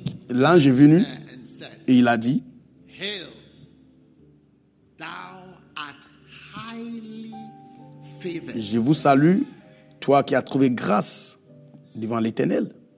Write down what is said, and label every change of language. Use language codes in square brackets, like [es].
[fr] L'ange est venu et il a dit: [en] Hail, thou art highly favored. [fr] Je vous salue, toi qui as trouvé grâce devant l'Éternel.